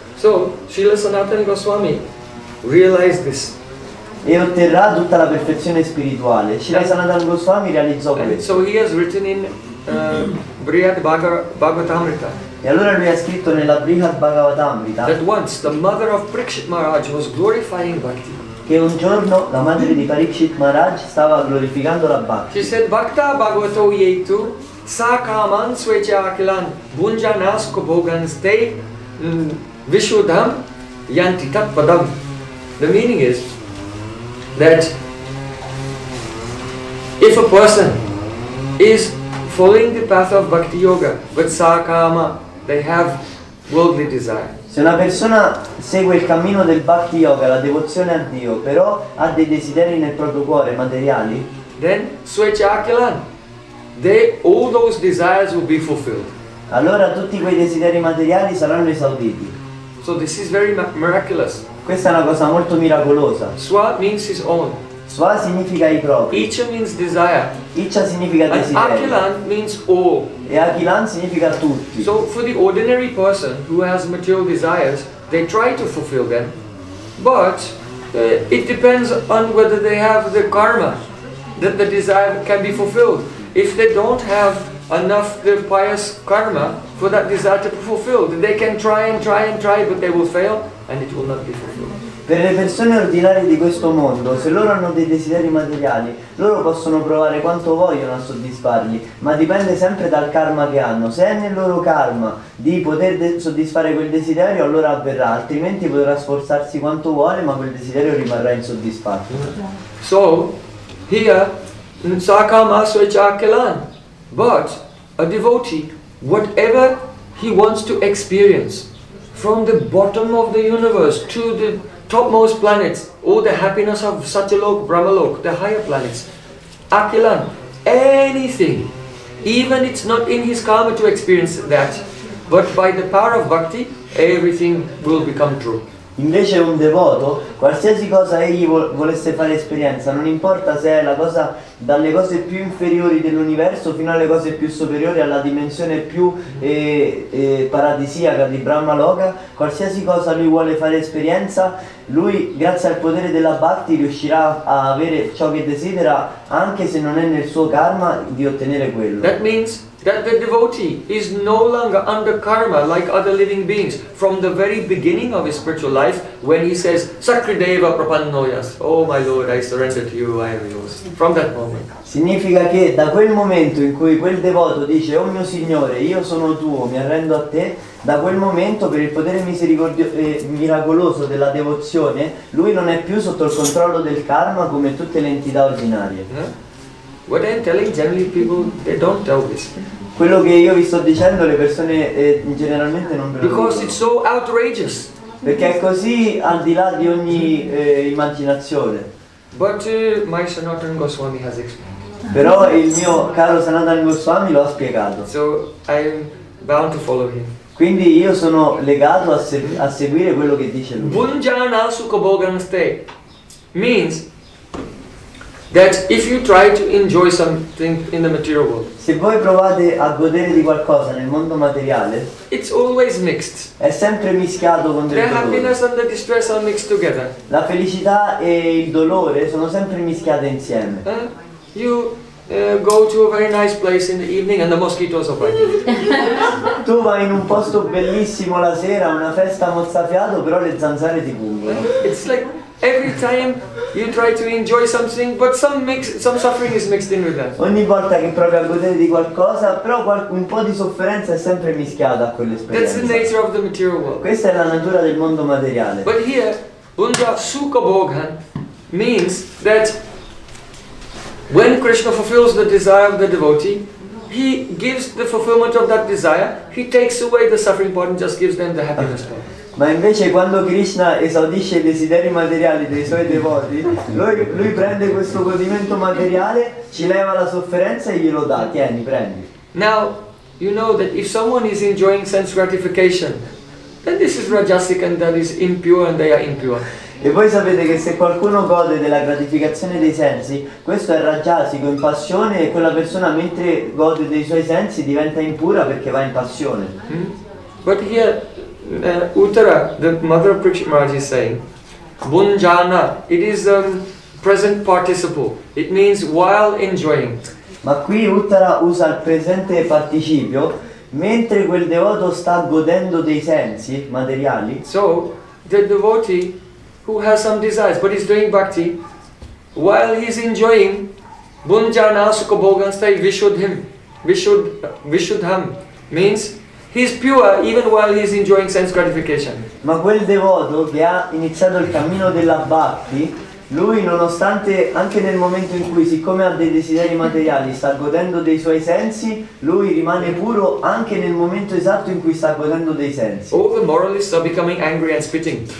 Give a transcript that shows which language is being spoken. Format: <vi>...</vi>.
<en>So, Srila Sanatana Goswami realized this.</en> <it>E otterrà tutta la perfezione spirituale. Srila Sanatana Goswami realizzò questo.</it> <en>So he has written in Brihad Bhagavatamrita.</en> <it>E allora lui ha scritto nella Brihad Bhagavatamrita</it> <en>that once the mother of Parikshit Maharaj was glorifying bhakti.</en> <it>Che un giorno la madre di Parikshit Maharaj stava glorificando la bhakti.</it> <en>She said</en> <sa>bhakta bhagavato yetu sakaman sveche akilan bunjanasko bhoganste vishudham yanti tat padam.</sa> <en>The meaning is that if a person is following the path of bhakti yoga with sakama, they have worldly desire.</en> <it>Se una persona segue il cammino del bhakti yoga, la devozione a Dio, però ha dei desideri nel proprio cuore materiali,</it> <en>then svechakilan, they all those desires will be fulfilled.</en> <it>Allora tutti quei desideri materiali saranno esauditi.</it> <en>So this is very miraculous.</en> <it>Questa è una cosa molto miracolosa.</it> <en>Swa means his own.</en> <it>Swa significa I propri.</it> <en>Icha means desire.</en> <it>Icha significa desiderio.</it> <en>And Akilan means all.</en> <it>E Akilan significa tutti.</it> <en>So for the ordinary person who has material desires, they try to fulfill them, but it depends on whether they have the karma that the desire can be fulfilled. If they don't have enough the pious karma for that desire to be fulfilled, they can try and try and try, but they will fail and it will not be fulfilled.</en> <it>Per le persone ordinarie di questo mondo, se loro hanno dei desideri materiali, loro possono provare quanto vogliono a soddisfarli, ma dipende sempre dal karma che hanno. Se è nel loro karma di poter soddisfare quel desiderio, allora avverrà, altrimenti potrà sforzarsi quanto vuole, ma quel desiderio rimarrà insoddisfatto.</it> <en>So, here, sakama svechakilan, but a devotee, whatever he wants to experience, from the bottom of the universe to the topmost planets, all the happiness of Satyalok, Brahmalok, the higher planets, Akilan, anything, even it's not in his karma to experience that, but by the power of bhakti, everything will become true.</en> <it>Invece un devoto, qualsiasi cosa egli volesse fare esperienza, non importa se è la cosa dalle cose più inferiori dell'universo fino alle cose più superiori, alla dimensione più paradisiaca di Brahma Loka, qualsiasi cosa lui vuole fare esperienza, lui grazie al potere della bhakti riuscirà a avere ciò che desidera, anche se non è nel suo karma di ottenere quello.</it> <en>That means that the devotee is no longer under karma like other living beings from the very beginning of his spiritual life when he says Sakrideva Prapannoyas, oh my lord, I surrender to you, I am yours, from that moment.</en> <it>Significa che da quel momento in cui quel devoto dice oh mio signore, io sono tuo, mi arrendo a te, da quel momento per il potere miracoloso della devozione lui non è più sotto il controllo del karma come tutte le entità ordinarie.</it> <en>What I'm telling generally people, they don't tell this.</en> <it>Quello che io vi sto dicendo le persone generalmente non credono.</it> <en>Because it's so outrageous.</en> <it>Perché è così al di là di ogni immaginazione.</it> <en>But my Sanatana Goswami has explained.</en> <it>Però il mio caro Sanatana Goswami lo ha spiegato.</it> <en>So I'm bound to follow him.</en> <it>Quindi io sono legato a seguire quello che dice lui.</it> <en>Bunjana sukobogamste means that if you try to enjoy something in the material world,</en> <it>se voi provate a godere di qualcosa nel mondo materiale,</it> <en>it's always mixed.</en> <it>È sempre mischiato con del dolore.</it> <en>The happiness and the distress are mixed together.</en> <it>La felicità e il dolore sono sempre mischiate insieme.</it> <en>You go to a very nice place in the evening and the mosquitoes are biting.</en> <it>Tu vai in un posto bellissimo la sera, una festa mozzafiato, però le zanzare ti pungono.</it> <en>It's like every time you try to enjoy something, but some suffering is mixed in with that.</en> <it>Ogni volta che provi a godere di qualcosa, però un po' di sofferenza è sempre mischiata a quell'esperienza.</it> <en>That's the nature of the material world.</en> <it>Questa è la natura del mondo materiale.</it> <en>But here, bunja sukha bhogan means that when Krishna fulfills the desire of the devotee, he gives the fulfillment of that desire, he takes away the suffering part and just gives them the happiness part.</en> <it>Ma invece quando Krishna esaudisce i desideri materiali dei suoi devoti, lui prende questo godimento materiale, ci leva la sofferenza e glielo dà. Tieni, prendi.</it> <en>Now, you know that if someone is enjoying sense gratification, then this is rajasic and that is impure and they are impure.</en> <it>E voi sapete che se qualcuno gode della gratificazione dei sensi, questo è rajasico, in passione, e quella persona mentre gode dei suoi sensi diventa impura perché va in passione.</it> <en>But here, Uttara, the mother of Prakshit Maharaj, is saying, Bunjana, it is a present participle. It means while enjoying.</en> <it>Ma qui Uttara usa il presente participio, mentre quel devoto sta godendo dei sensi materiali.</it> <en>So, the devotee who has some desires, but is doing bhakti, while he is enjoying, Bunjana sukabhogansthai vishuddham, means he is pure even while he is enjoying sense gratification.</en> <it>Ma quel devoto che ha iniziato il cammino della bhakti, lui nonostante anche nel momento in cui, siccome ha dei desideri materiali, sta godendo dei suoi sensi, lui rimane puro anche nel momento esatto in cui sta godendo dei sensi.</it> <en>All the moralists are becoming angry and spitting.</en>